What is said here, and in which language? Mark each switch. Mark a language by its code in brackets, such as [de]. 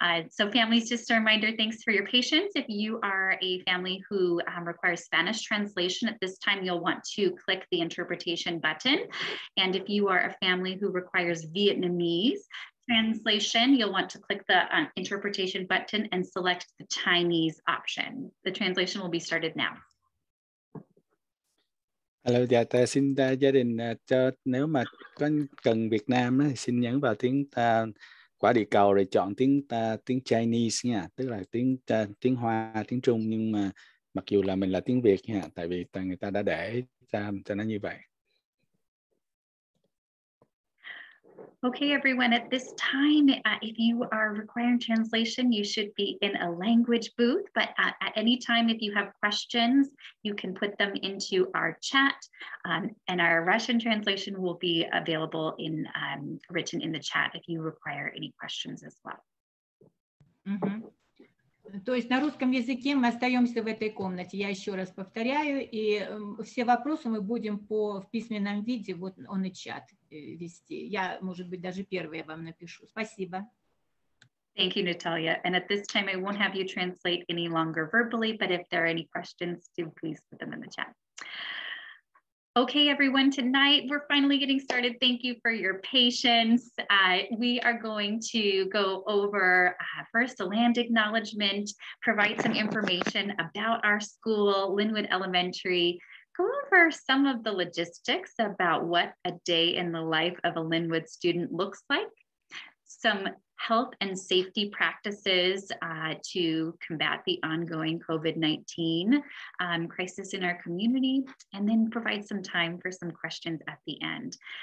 [en] So families, just a reminder, thanks for your patience. If you are a family who requires Spanish translation at this time, you'll want to click the interpretation button. And if you are a family who requires Vietnamese translation, you'll want to click the interpretation button and select the Chinese option. The translation will be started now. [vi] Hello, dạ, tôi xin gia đình cho nếu mà có cần Việt Nam thì xin nhấn vào tiếng quả địa cầu rồi chọn tiếng tiếng Chinese nha, tức là tiếng tiếng Hoa, tiếng Trung, nhưng mà mặc dù là mình là tiếng Việt nha, tại vì người ta đã để cho nó như vậy. [en] Okay, everyone, at this time, if you are requiring translation, you should be in a language booth, but at any time, if you have questions, you can put them into our chat, and our Russian translation will be available in written in the chat if you require any questions as well. [ru] То есть на русском языке мы остаемся в этой комнате, я еще раз повторяю, и все вопросы мы будем в письменном виде, вот он и чат вести. Я, может быть, даже первое вам напишу. Спасибо. [en] Thank you, Natalia. And at this time, I won't have you translate any longer verbally, but if there are any questions, do please put them in the chat. Okay, everyone, tonight we're finally getting started. Thank you for your patience. We are going to go over first a land acknowledgement, provide some information about our school, Lynnwood Elementary, go over some of the logistics about what a day in the life of a Lynnwood student looks like, some health and safety practices to combat the ongoing COVID-19 crisis in our community, and then provide some time for some questions at the end.